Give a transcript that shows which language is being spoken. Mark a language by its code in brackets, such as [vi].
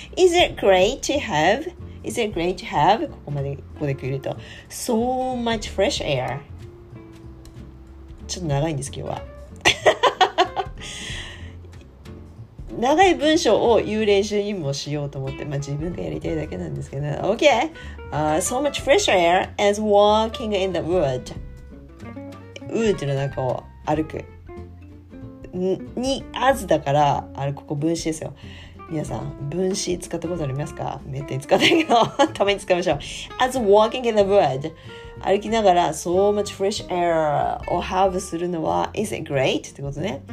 [en] Is it great to have、Is it great to have? [ja] ここまで、ここで来ると。 [en] So much fresh air. [ja] ちょっと長いんです、今日は。長い文章を言う練習にもしようと思って、まあ自分がやりたいだけなんですけど。 [en] OK!、So much fresh air as walking in the wood. [ja] Wood っていうのはこう、歩く。に、as だから、あれ、ここ分詞ですよ。皆さん分詞使ったことありますか？めったに使わないけどたまに使いましょう。 [en] As walking in the wood、 [ja] 歩きながら [en] So much fresh air [ja] をハーブするのは [en] Is it great? [ja] ってことね。